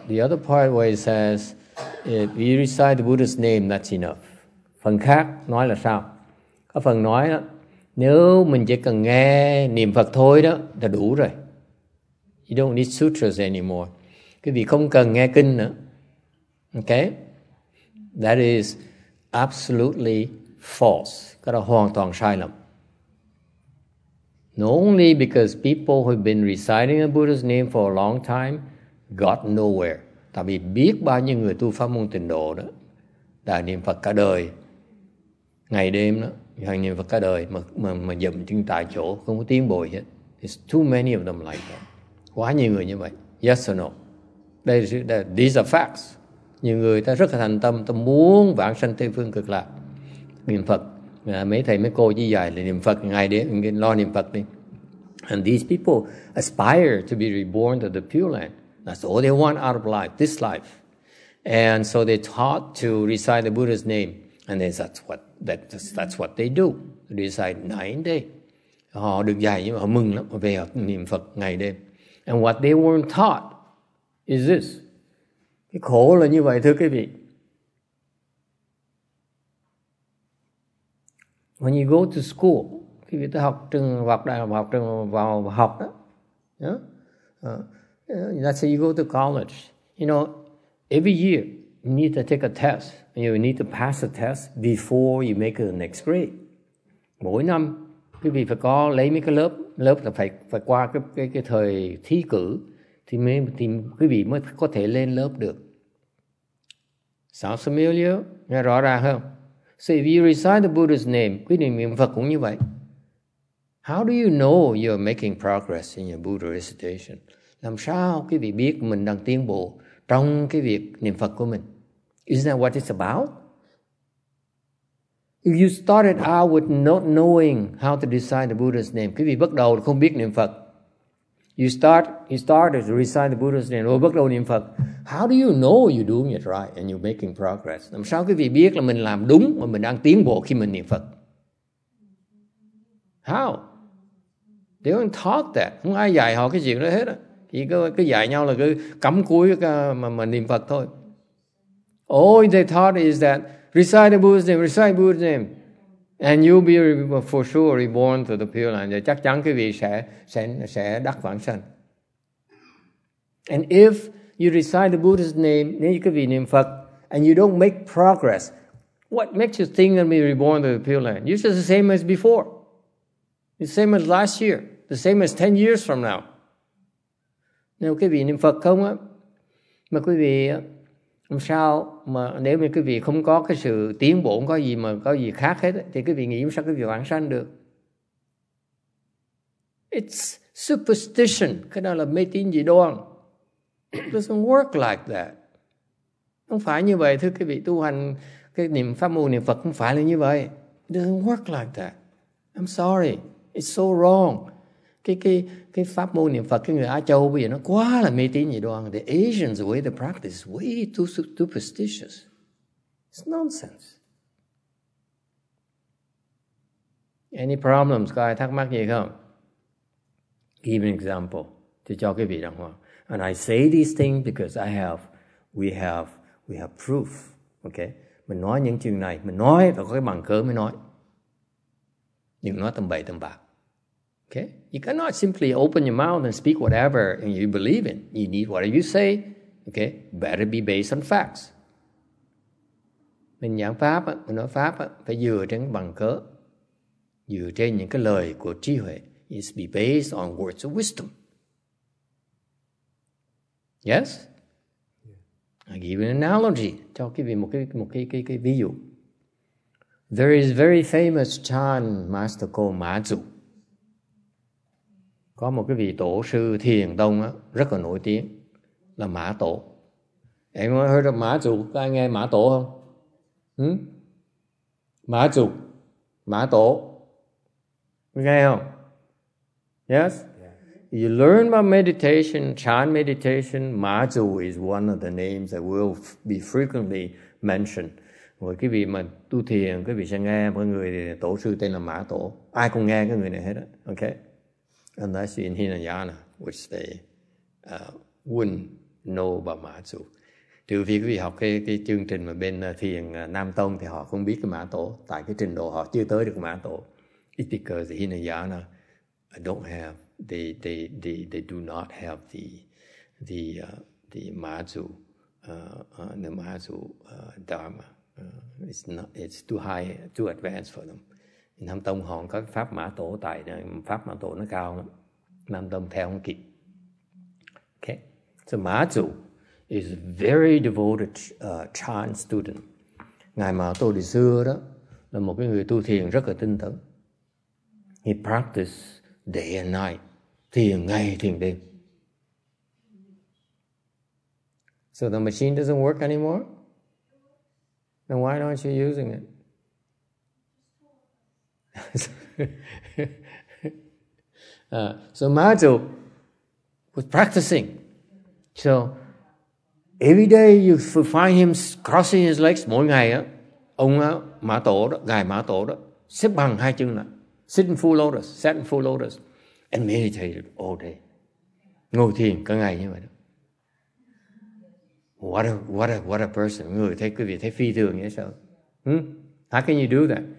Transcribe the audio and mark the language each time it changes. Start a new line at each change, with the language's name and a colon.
English: The other part where it says, if you recite the Buddha's name, that's enough.
Vietnamese: Phần khác nói là sao? Có phần nói đó, nếu mình chỉ cần nghe niệm Phật thôi đó, là đủ rồi.
English: You don't need sutras anymore.
Vietnamese: Quý vị không cần nghe kinh nữa.
English: Okay? That is absolutely false.
Vietnamese: Cái đó hoàn toàn sai lầm.
English: Not only because people who've been reciting the Buddha's name for a long time got nowhere.
Vietnamese: Tại vì biết bao nhiêu người tu pháp môn tịnh độ đó đã niệm Phật cả đời, ngày đêm đó, hàng niệm Phật cả đời mà dậm chân tại chỗ, không có tiến bộ hết.
English: It's too many of them like that.
Vietnamese: Quá nhiều người như vậy.
English: Yes or no? These are facts.
Vietnamese: Nhiều người ta rất là thành tâm, ta muốn vãng sanh Tây Phương Cực Lạc, niệm Phật. Mấy thầy mấy cô chỉ dạy là niệm Phật ngày đêm, lo niệm Phật đi.
English: And these people aspire to be reborn to the Pure Land. That's all they want out of life, this life. And so they taught to recite the Buddha's name. And then that's what they do. Recite night and day.
Vietnamese: Họ được dạy nhưng họ mừng lắm. Họ về họ niệm Phật ngày đêm.
English: And what they weren't taught is this.
Vietnamese: Cái khổ là như vậy thưa quý vị.
English: When you go to school,
Vietnamese: khi người ta học trường học đại học trường vào học đó,
English: that's how you go to college. You know, every year you need to take a test. You need to pass a test before you make it the next grade.
Vietnamese: Mỗi năm, quý vị phải có lấy mấy cái lớp là phải qua cái thời thi cử thì quý vị mới có thể lên lớp được.
English: Sounds familiar?
Vietnamese: Nghe rõ ràng không?
English: So if you recite the Buddha's name,
Vietnamese: quý vị niệm Phật cũng như vậy.
English: How do you know you're making progress in your Buddha recitation?
Vietnamese: Làm sao quý vị biết mình đang tiến bộ trong cái việc niệm Phật của mình?
English: Isn't that what it's about? If you started out with not knowing how to recite the Buddha's name,
Vietnamese: quý vị bắt đầu không biết niệm Phật.
English: You started to recite the Buddha's name, rồi bắt đầu niệm Phật. How do you know you're doing it right and you're making progress?
Vietnamese: Làm sao quý vị biết là mình làm đúng và mình đang tiến bộ khi mình niệm Phật?
English: How? They don't talk that.
Vietnamese: Không ai dạy họ cái chuyện đó hết. Chỉ cứ dạy nhau là cứ cắm cúi mà niệm Phật thôi.
English: All they thought is that recite the Buddha's name. And you'll be for sure reborn to the Pure Land.
Vietnamese: Chắc chắn quý vị sẽ đắc vãng sanh.
English: And if you recite the Buddha's name,
Vietnamese: nếu quý vị niệm Phật,
English: and you don't make progress, what makes you think you'll be reborn to the Pure Land? You're just the same as before. The same as last year. The same as 10 years from now.
Vietnamese: Nếu quý vị niệm Phật không á, mà quý vị làm sao mà nếu mà quý vị không có cái sự tiến bộ, không có gì mà có gì khác hết thì quý vị nghĩ làm sao quý vị vãng sanh được?
English: It's superstition.
Vietnamese: Cái đó là mê tín dị đoan.
English: It doesn't work like that.
Vietnamese: Không phải như vậy thưa quý vị, tu hành cái niệm pháp môn niệm Phật không phải là như vậy.
English: It doesn't work like that. I'm sorry. It's so wrong.
Vietnamese: Cái pháp môn niệm Phật cái người Á Châu bây giờ nó quá là mê tín dị đoan.
English: The Asians, the way they practice is way too superstitious. It's nonsense. Any problems?
Vietnamese: Có ai thắc mắc gì không?
English: Give an example.
Vietnamese: To cho quý vị đàng hoàng.
English: And I say these things because I have we have proof.
Vietnamese: Okay, mình nói những chuyện này, mình nói phải có cái bằng cớ mới nói. Đừng nói tầm bậy tầm bạ.
English: Okay, you cannot simply open your mouth and speak whatever and you believe in. You need whatever you say. Okay, better be based on facts.
Vietnamese: Mình giảng pháp, mình nói pháp phải dựa trên bằng cớ, dựa trên những cái lời của trí huệ.
English: It's be based on words of wisdom. Yes? I give an analogy.
Vietnamese: Cho quý vị một cái ví dụ.
English: There is very famous Chan master called Ma Zu.
Vietnamese: Có một cái vị tổ sư thiền tông á, rất là nổi tiếng là Mã Tổ.
English: Anyone heard of
Vietnamese: Mã Tổ? Có ai nghe Mã Tổ không? Mã Tổ. Mã Tổ. Nghe không? Yes?
English: Yeah. You learn about meditation, Chan meditation, Mã Tổ is one of the names that will be frequently mentioned.
Vietnamese: Với quý vị mà tu thiền, quý vị sẽ nghe một người tổ sư tên là Mã Tổ. Ai cũng nghe cái người này hết á.
English: Okay? And that's in Hinayana, which they wouldn't know about Mã Tổ.
Vietnamese: Trừ phi quý vị học cái chương trình mà bên thiền Nam Tông thì họ không biết cái Mã Tổ, tại cái trình độ họ chưa tới được Mã Tổ.
English: It's because the Hinayana don't have, they do not have the Mã Tổ, the Mã Tổ Dharma. It's too high, too advanced for them.
Vietnamese: Nam Tông họ có pháp Mã Tổ, tại pháp Mã Tổ nó cao lắm. Nam Tông theo không kịp. Okay.
English: So Mã Tổ is a very devoted Chan student.
Vietnamese: Ngài Mã Tổ từ xưa đó là một cái người tu thiền rất là tinh tấn.
English: He practiced day and night,
Vietnamese: thiền ngày thiền đêm.
English: So the machine doesn't work anymore? Then why aren't you using it? So Ma Zhu was practicing. So every day you find him crossing his legs.
Vietnamese: Mỗi ngày á, ông Ma Tổ đó, ngài Ma Tổ đó, xếp bằng hai chân lại,
English: sat in full lotus, and meditated all day.
Vietnamese: Ngồi thiền cả ngày như vậy đó.
English: What a person.
Vietnamese: Người thấy quý vị thấy phi thường như thế sao?
English: How can you do that?